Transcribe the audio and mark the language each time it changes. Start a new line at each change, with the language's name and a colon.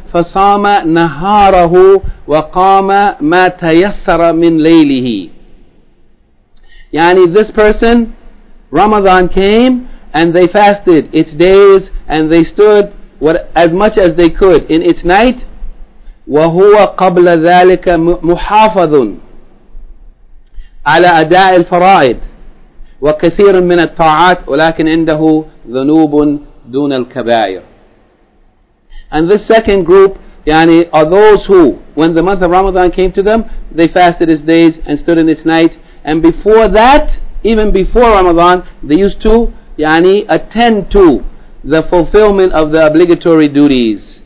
Arabic: فَصَامَ نَهَارَهُ وَقَامَ مَا تَيَسَّرَ مِنْ لَيْلِهِ.
English: Yani this person, Ramadan came and they fasted its days and they stood what, as much as they could in its night.
Arabic: وَهُوَ قَبْلَ ذَلِكَ مُحَافَظٌ عَلَى أَدَاءِ الْفَرَائِدِ وكثير من الطاعات ولكن عنده ذنوب دون الكبائر.
English: And this second group, yani, are those who, when the month of Ramadan came to them, they fasted its days and stood in its nights. And before that, even before Ramadan, they used to, yani, attend to the fulfillment of the obligatory duties.